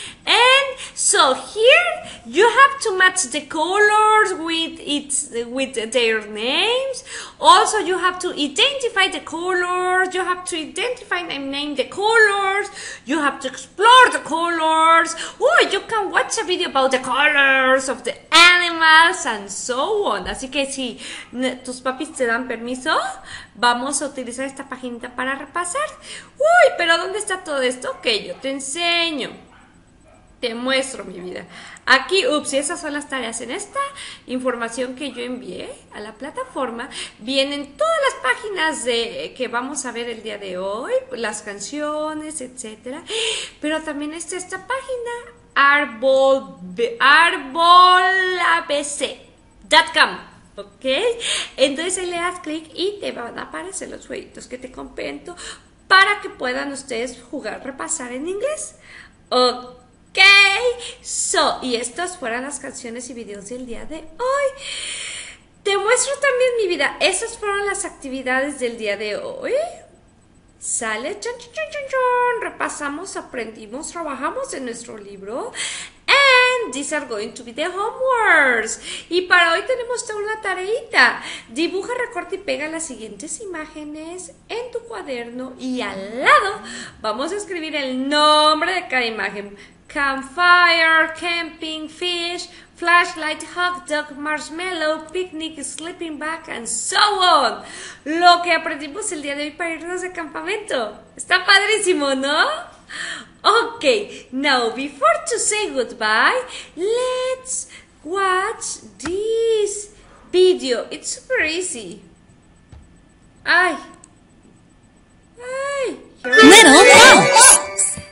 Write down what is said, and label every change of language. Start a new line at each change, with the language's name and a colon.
English: And so here, you have to match the colors with their names. Also, you have to identify the colors. You have to identify and name the colors. You have to explore the colors. Oh, you can watch a video about the colors of the animals and so on.
Spanish: Así que si tus papis te dan permiso, vamos a utilizar esta paginita para repasar. Uy, pero ¿dónde está todo esto? Ok, yo te enseño. Te muestro, mi vida. Aquí, ups, esas son las tareas. En esta información que yo envié a la plataforma, vienen todas las páginas de que vamos a ver el día de hoy, las canciones, etcétera. Pero también está esta página, arbolabc.com, ¿ok? Entonces ahí le das clic y te van a aparecer los jueguitos que te comento para que puedan ustedes jugar, repasar en inglés, ¿ok? So, y estas fueron las canciones y videos del día de hoy. Te muestro también, mi vida, esas fueron las actividades del día de hoy. Sale, chan, chan, chan, chan, repasamos, aprendimos, trabajamos en nuestro libro.
English: And these are going to be the homeworks.
Spanish: Y para hoy tenemos toda una tareita. Dibuja, recorta y pega las siguientes imágenes en tu cuaderno. Y al lado vamos a escribir el nombre de cada imagen.
English: Campfire, camping, fish, flashlight, hot dog, marshmallow, picnic, sleeping bag, and so on.
Spanish: Lo que aprendimos el día de hoy para irnos de campamento. Está padrísimo, ¿no?
English: Ok, now before to say goodbye, let's watch this video. It's super easy. Ay. Ay. Little Bugs.